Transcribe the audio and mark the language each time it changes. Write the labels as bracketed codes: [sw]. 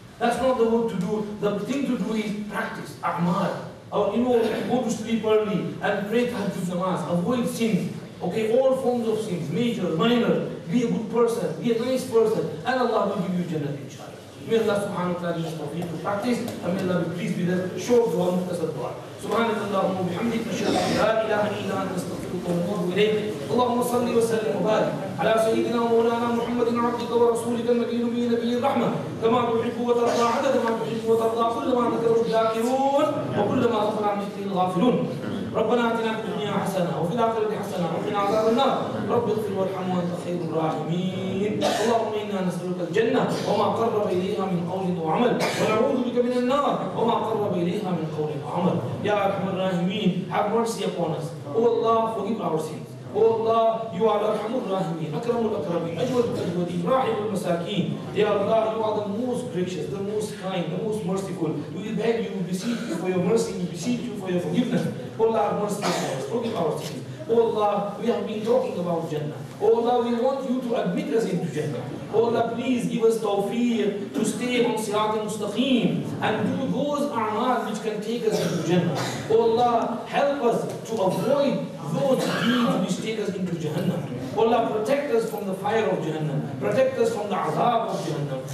[en] That's not the work to do. The thing to do is practice, a'mal. Or, you know, go to sleep early and pray tahajjud namaz. Avoid sins. Okay, all forms of sins, major, minor. Be a good person, be a nice person. And Allah will give you Jannah, inshallah. May Allah subhanahu wa ta'ala give us tawfiq to practice. And may Allah be pleased with us. Show dua, muhtasar dua. [ar] سبحانك اللهم وبحمدك اشهد ان لا اله الا انت استغفرك واتوب اليك اللهم صل وسلم وبارك على سيدنا ومولانا محمد عبدك ورسولك المدين به نبي الرحمه كما تحب وترضى عدد ما تحب وترضى كل ما ذكره الذاكرون وكل ما غفر عن ذكره الغافلون ربنا اتنا في الدنيا حسنه وفي الاخره حسنه وقنا عذاب النار رب اغفر وارحم وانت خير الراحمين اللهم انا نسالك الجنه وما قرب اليها من قول وعمل ونعوذ بك من النار وما قرب اليها من قول وعمل يا ارحم الراحمين [en] have mercy upon us oh Allah forgive our sins oh Allah you are [ar] ارحم الراحمين اكرم الاكرمين اجود الاجودين راحم المساكين يا الله [en] you are the most gracious the most kind the most merciful we beg you we beseech you for your mercy we beseech you for your forgiveness oh Allah have mercy upon us forgive our sins Oh Allah, we have been talking about Jannah. Oh Allah, we want you to admit us into Jannah. Oh Allah, please give us tawfiq to stay on Sirat al-Mustaqim and do those a'mal which can take us into Jannah. Oh Allah, help us to avoid those deeds which take us into Jahannam. Oh Allah, protect us from the fire of Jahannam. Protect us from the azab of Jahannam.